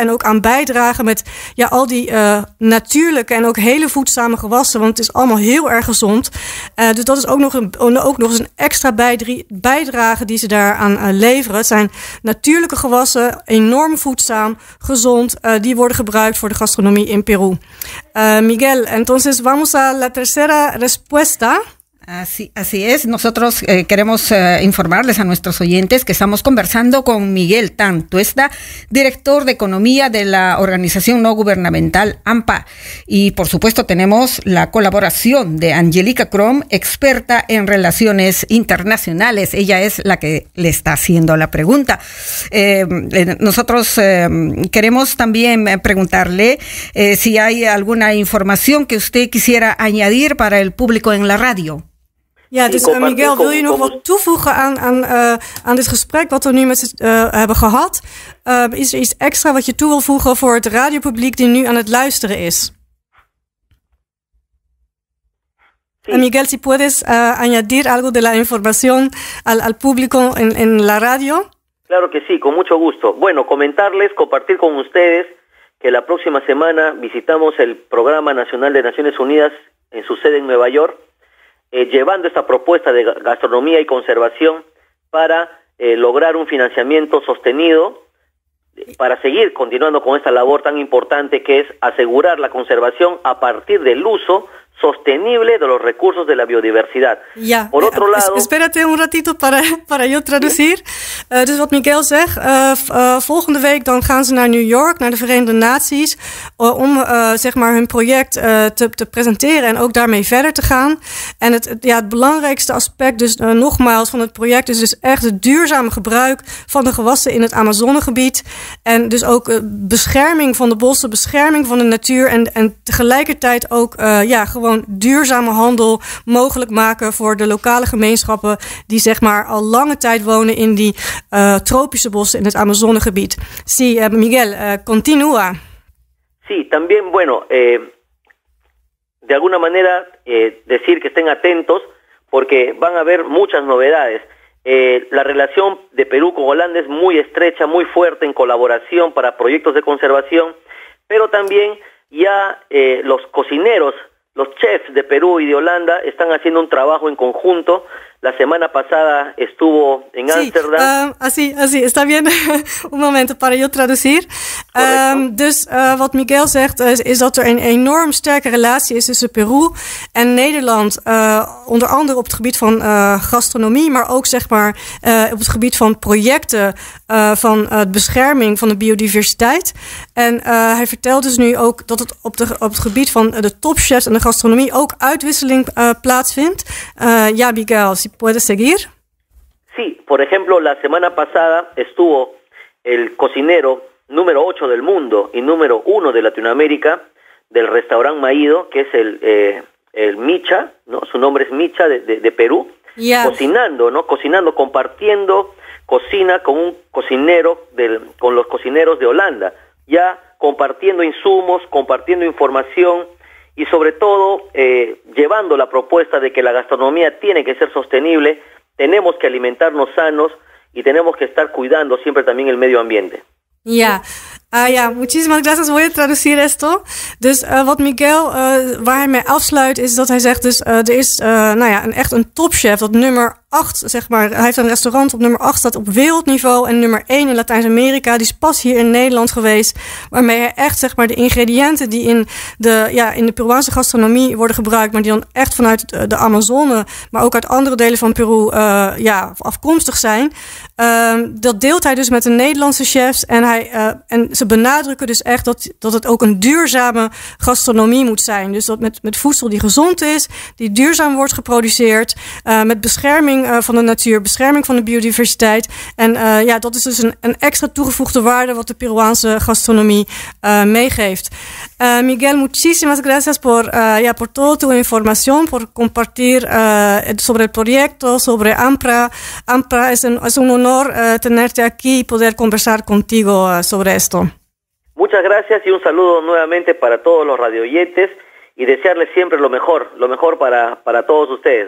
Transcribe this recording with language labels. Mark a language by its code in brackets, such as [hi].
[nl] En ook aan bijdragen met ja, al die natuurlijke en ook hele voedzame gewassen. Want het is allemaal heel erg gezond. Dus dat is ook nog eens een extra bijdrage die ze daaraan leveren. Het zijn natuurlijke gewassen, enorm voedzaam, gezond. Die worden gebruikt voor de gastronomie in Peru. [es] Miguel, entonces vamos a la tercera respuesta. Así es. Nosotros queremos informarles a nuestros oyentes que estamos conversando con Miguel Tan Tuesta, director de Economía de la organización no gubernamental AMPA. Y, por supuesto, tenemos la colaboración de Angélica Krom, experta en relaciones internacionales. Ella es la que le está haciendo la pregunta. Queremos también preguntarle si hay alguna información que usted quisiera añadir para el público en la radio. [nl] Ja, dus Miguel, wil je nog wat toevoegen aan dit gesprek wat we nu met ze hebben gehad? Is er iets extra wat je toe wil voegen voor het radiopubliek die nu aan het luisteren is? [es] Sí. Miguel, si puedes añadir algo de la información al público en la radio? Claro que sí, con mucho gusto. Bueno, comentarles, compartir con ustedes que la próxima semana visitamos el Programa Nacional de Naciones Unidas en su sede en Nueva York. Llevando esta propuesta de gastronomía y conservación para lograr un financiamiento sostenido para seguir continuando con esta labor tan importante que es asegurar la conservación a partir del uso sostenible de los recursos de la biodiversidad. Ya. Por otro lado, espérate un ratito para yo traducir. [nl] Dus wat Miguel zegt, volgende week dan gaan ze naar New York, naar de Verenigde Naties, om zeg maar hun project te presenteren en ook daarmee verder te gaan. En het belangrijkste aspect dus nogmaals van het project is dus echt het duurzame gebruik van de gewassen in het Amazonegebied. En dus ook bescherming van de bossen, bescherming van de natuur en tegelijkertijd ook gewoon duurzame handel mogelijk maken voor de lokale gemeenschappen die zeg maar al lange tijd wonen in die tropische bossen in het Amazonegebied. [es] Sí, Miguel, continúa. Sí, también bueno, de alguna manera decir que estén atentos porque van a haber muchas novedades. La relación de Perú con Holanda es muy estrecha, muy fuerte en colaboración para proyectos de conservación, pero también ya los cocineros, los chefs de Perú y de Holanda están haciendo un trabajo en conjunto. La semana pasada estuvo en Ámsterdam. Así, está bien. Un momento para yo traducir. [nl] Dus wat Miguel zegt is dat er een enorm sterke relatie is tussen Peru en Nederland. Onder andere op het gebied van gastronomie, maar ook zeg maar op het gebied van projecten van het bescherming van de biodiversiteit. En hij vertelt dus nu ook dat het op het gebied van de topchefs en de gastronomie ook uitwisseling plaatsvindt. [es] Ja, Miguel, si puedes seguir. Sí, por ejemplo, la semana pasada estuvo el cocinero número 8 del mundo y número 1 de Latinoamérica del restaurante Maído, que es el Micha, ¿no? Su nombre es Micha de Perú. Yeah. Cocinando, ¿no? Cocinando, compartiendo cocina con un cocinero con los cocineros de Holanda, ya compartiendo insumos, compartiendo información y sobre todo llevando la propuesta de que la gastronomía tiene que ser sostenible, tenemos que alimentarnos sanos y tenemos que estar cuidando siempre también el medio ambiente. Ja, muchísimas gracias. Voy a traducir esto. [nl] Dus wat Miguel, waar hij mee afsluit, is dat hij zegt, dus er is echt een topchef, dat nummer 8, zeg maar, hij heeft een restaurant op nummer 8, staat op wereldniveau en nummer 1 in Latijns-Amerika, die is pas hier in Nederland geweest, waarmee hij echt, zeg maar, de ingrediënten die in de Peruaanse gastronomie worden gebruikt, maar die dan echt vanuit de Amazone, maar ook uit andere delen van Peru, afkomstig zijn, dat deelt hij dus met de Nederlandse chefs en ze benadrukken dus echt dat het ook een duurzame gastronomie moet zijn. Dus dat met voedsel die gezond is, die duurzaam wordt geproduceerd, met bescherming bescherming van de natuur, bescherming van de biodiversiteit. En ja, dat is dus een extra toegevoegde waarde wat de Peruaanse gastronomie meegeeft. [es] Miguel, muchísimas gracias por, ya, por toda tu información, por compartir sobre el proyecto, sobre AMPRA. AMPRA, es un honor tenerte aquí y poder conversar contigo sobre esto. Muchas gracias y un saludo nuevamente para todos los radioyentes y desearles siempre lo mejor para todos ustedes.